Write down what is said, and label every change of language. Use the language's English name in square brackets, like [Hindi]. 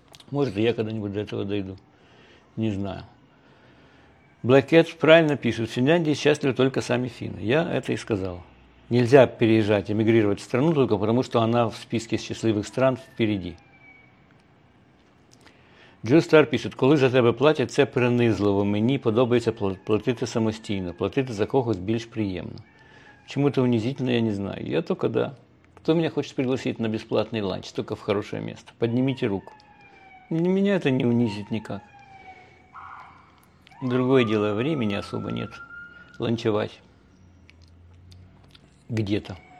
[Russian] Может, я когда-нибудь до этого дойду. Не знаю. Блэкетс правильно пишет. В Финляндии счастливы только сами финны. Я это и сказал. Нельзя переезжать, эмигрировать в страну только потому, что она в списке счастливых стран впереди. Джо Стар пишет. [Ukrainian] Коли за тебе платять, це принизливо. Мені подобається платити самостійно. Платити за когось більш приємно. [Russian] Чому-то унизительно, я не знаю. Я только да. Кто меня хочет пригласить на бесплатный ланч, только в хорошее место? Поднимите руку. Меня это не унизит никак. Другое дело, времени особо нет ланчевать где-то.